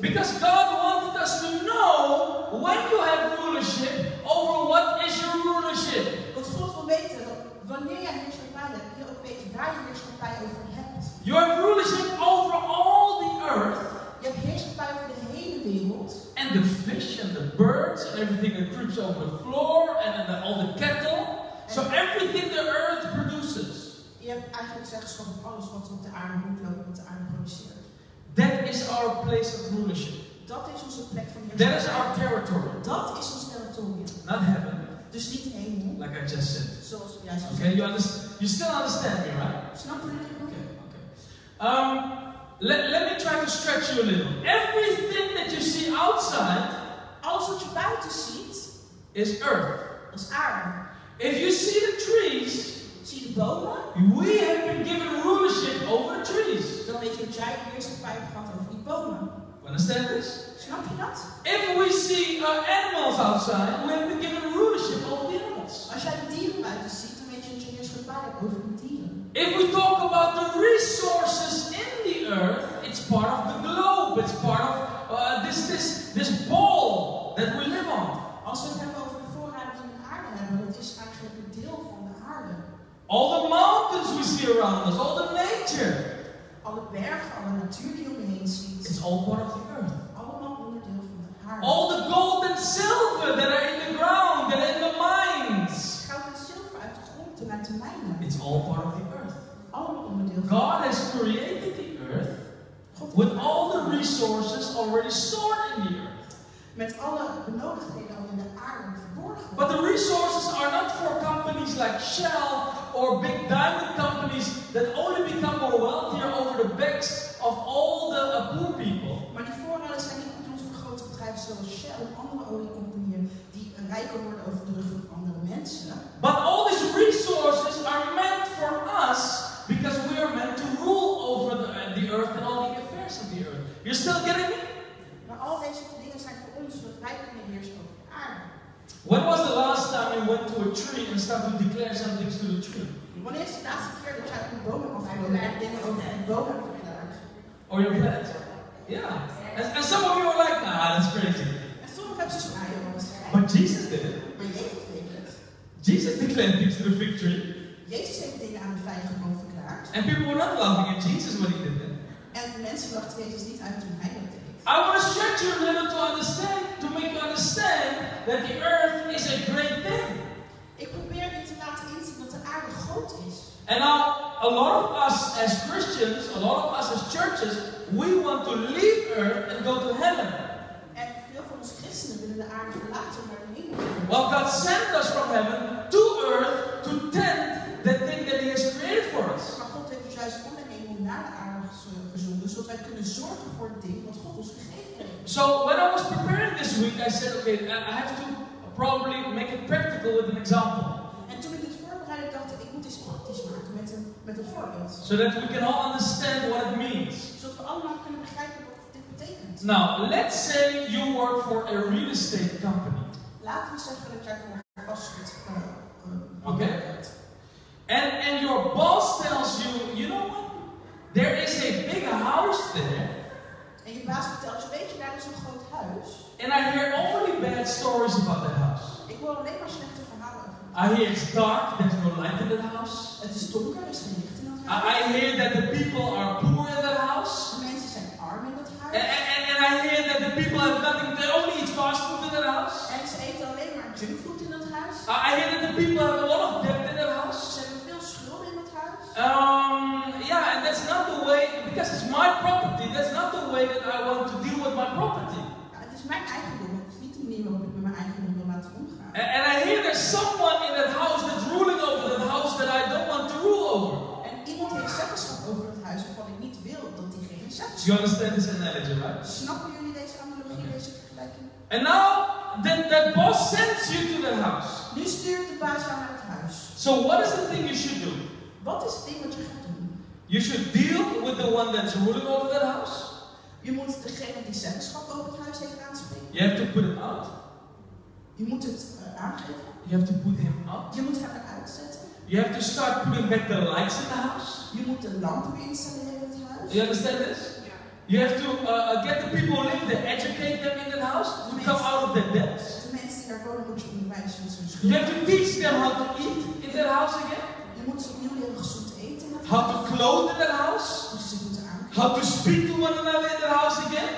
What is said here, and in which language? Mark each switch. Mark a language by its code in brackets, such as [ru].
[en] Because God wanted us to know when you have rulership over what is your rulership. [nl] Want God wil weten dat wanneer jij heerschappij hebt, je ook weet waar je heerschappij over hebt. [en] You have rulership over all the earth. [nl] Je hebt heerschappij over de hele wereld. [en] And the fish and the birds and everything that creeps over the floor and then all the cattle. So everything the earth produces. [nl] Je hebt eigenlijk zeggen van alles wat op de aarde moet lopen, wat de aarde produceert. [en] That is our place of rulership. [nl] Dat is onze plek van heerschappij. [en] That is our territory. [nl] Dat is ons territorium. [en] Not heaven. [nl] Dus niet hemel. [en] Like I just said. [nl] Zoals jij zei. [en] Okay, you still understand me, right? [nl] Snap je het? [en] Let me try to stretch you a little. Everything that you see outside, [nl] alles wat je buiten ziet, [en] is earth. [nl] Is aarde. [en] If you see the trees, [nl] zie de bomen. [en] We have been given rulership over the trees. [nl] Dan weet je dat jij de eerste pijp gehad over die bomen. [en] Understand this? [nl] Snap je dat? [en] If we see animals outside, we have been given rulership over the animals. [nl] Als jij de dieren buiten ziet, dan weet je dat je eerste pijp over de dieren. [en] If we talk about the resources in the earth, it's part of the globe. It's part of this ball that we live on. [nl] Als we het hebben over de voorraden die we op aarde hebben, dat is eigenlijk een deel van de aarde. [en] All the mountains we see around us, all the nature. [nl] Alle bergen, alle natuur die om je heen ziet. [en] It's all part of the earth. [nl] Allemaal onderdeel van de aarde. [en] All the gold and silver that are in the ground and in the mines. [nl] Goud en zilver uit de grond en uit de mijnen. [en] It's all part of the earth. God has created the earth with all the resources already stored in the earth. [nl] Met alle benodigdheden al in de aarde verborgen. [en] But the resources are not for companies like Shell or big diamond companies that only become more wealthier over the backs of all the poor people. [nl] Maar die voorraden zijn niet bedoeld voor grote bedrijven zoals Shell of andere oliecompanieën die rijker worden over de rug van andere mensen. [en] But all these resources are meant for us. Because we are meant to rule over the earth and all the affairs of the earth. You're still getting me? [nl] Maar al deze dingen zijn voor ons, zodat wij kunnen heersen over de aarde. [en] When was the last time you went to a tree and started to declare something to the tree? [nl] Wanneer is de laatste keer dat jij een boom hebt afgelopen en dingen over een boom hebt verklaard? [en] Or your plant? Yeah. And some of you are like, ah, that's crazy. [nl] En sommigen hebben ze zo'n aardig om ons. [en] But Jesus did it. [nl] Maar Jezus deed het. [en] Jesus declared things to the fig tree. [nl] Jezus heeft dingen aan de vijgenboom verklaard. [en] And people were not laughing at Jesus when he did that. [nl] En mensen lachten Jezus niet uit toen hij dat deed. [en] I want to stretch you a little to understand, to make you understand that the earth is a great thing. [nl] Ik probeer je te laten inzien dat de aarde groot is. [en] And now, a lot of us as Christians, a lot of us as churches, we want to leave earth and go to heaven. [nl] En veel van ons christenen willen de aarde verlaten naar de hemel. [en] Well, God sent us from heaven to earth to tend the thing that he has created for us. [nl] Maar God heeft ons juist van de hemel naar de aarde gezonden, zodat wij kunnen zorgen voor het ding wat God ons gegeven heeft. [en] So when I was preparing this week, I said, okay, I have to probably make it practical with an example. [nl] En toen ik dit voorbereidde, dacht ik, ik moet dit praktisch maken met een voorbeeld. [en] So that we can all understand what it means. [nl] Zodat we allemaal kunnen begrijpen wat dit betekent. [en] Now, let's say you work for a real estate company. [nl] Laten we zeggen dat jij voor een vastgoed. [en] Okay. And your boss tells you, you know what? There is a big house there. [nl] En je baas vertelt je, weet je, daar is een groot huis. [en] And I hear only bad stories about the house. [nl] Ik hoor alleen maar slechte verhalen over. [en] I hear it's dark, there's no light in the house. [nl] Het is donker, er is geen licht in dat huis. [en] I hear that the people are poor in the house. [nl] De mensen zijn arm in dat huis. [en] And I hear that the people have nothing, they only eat fast food in that house. [nl] En ze eten alleen maar junk food in dat huis. [en] I hear that the people have a lot of debt in that house. Yeah, and that's not the way, because it's my property, that's not the way that I want to deal with my property. [nl] Het is mijn eigendom, het is niet de manier waarop ik met mijn eigendom wil laten omgaan. [en] And I hear there's someone in that house that's ruling over that house that I don't want to rule over. [nl] En iemand heeft zeggenschap over dat huis waarvan ik niet wil dat diegene zeggenschap. [en] Do you understand this analogy, right? [nl] Snappen jullie deze analogie, okay. Deze vergelijking? [en] And now, that boss sends you to the house. [nl] Nu stuurt de baas jou naar het huis. [en] So what is the thing you should do? [nl] Wat is het ding wat je gaat doen? [en] You should deal with the one that's ruling over that house. [nl] Je moet degene die zeggenschap over het huis heeft aanspreken. [en] You have to put him out. [nl] Je moet het aangeven. [en] You have to put him out. [nl] Je moet hem eruit zetten. [en] You have to start putting back the lights in the house. [nl] Je moet de lampen weer installeren in het huis. [en] You understand this? Yeah. You have to get the people who live there, educate them in the house to come out of their debts. [nl] De mensen die daar wonen moet je onderwijzen met hun schulden. [en] You have to teach them how to eat in their house again. [nl] Je moet ze opnieuw leren gezond eten in het huis. [en] How to clothe in their house. [nl] Moet ze moeten aankleden. [en] How to speak to one another in their house again.